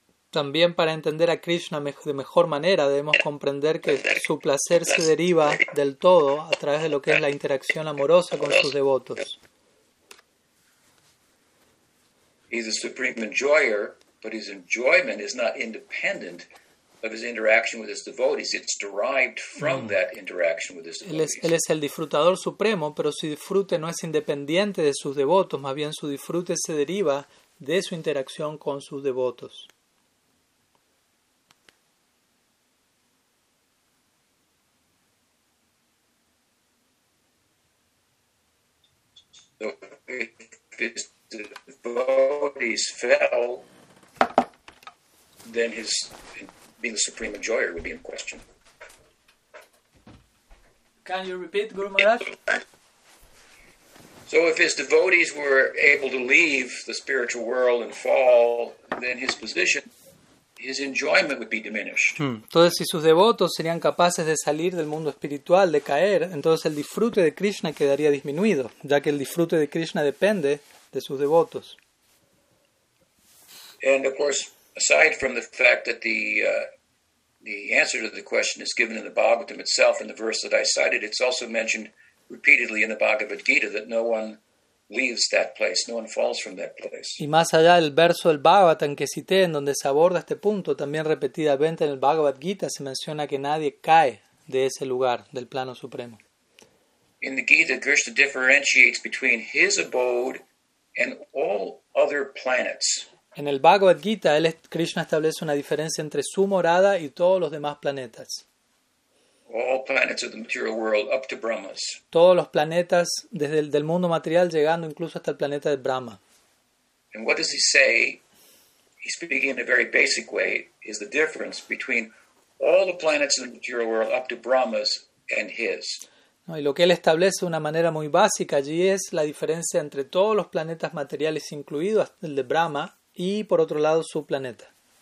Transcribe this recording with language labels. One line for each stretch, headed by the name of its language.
Spanish: También para entender a Krishna de mejor manera debemos comprender que su placer se deriva del todo a través de lo que es la interacción amorosa con sus devotos.
English: He's a supreme enjoyer, but his enjoyment is not independent of his interaction with his devotees. It's derived from that interaction with his devotees.
Spanish: Él es el disfrutador supremo, pero su disfrute no es independiente de sus devotos, más bien su disfrute se deriva de su interacción con sus devotos.
English: So if his devotees fell, then his being the supreme enjoyer would be in question. Can you repeat, Guru Maharaj? So if his devotees were able to leave the spiritual world and fall, then his position, his enjoyment would be diminished.
Spanish: Entonces, si sus devotos serían capaces de salir del mundo espiritual, de caer, entonces el disfrute de Krishna quedaría disminuido, ya que el disfrute de Krishna depende de sus devotos.
English: And of course, aside from the fact that the answer to the question is given in the Bhagavatam itself, in the verse that I cited, it's also mentioned repeatedly in the Bhagavad Gita that no one leaves that place, no one falls from that place.
Spanish: Y más allá del verso del Bhagavatam que cité, en donde se aborda este punto, también repetidamente en el Bhagavad Gita se menciona que nadie cae de ese lugar, del plano supremo.
English: In the Gita, Krishna differentiates between his abode and all other planets.
Spanish: En el Bhagavad Gita, Krishna establece una diferencia entre su morada y todos los demás planetas.
English: All planets of the material world up to Brahma's.
Spanish: Todos los planetas desde el del mundo material llegando incluso hasta el planeta de Brahma.
English: And what does he say? He's speaking in a very basic way, is the difference between all the planets of the material world up to Brahma's and his.
Spanish: No, y lo que él establece de una manera muy básica allí es la diferencia entre todos los planetas materiales incluidos el de Brahma y por otro lado su planeta.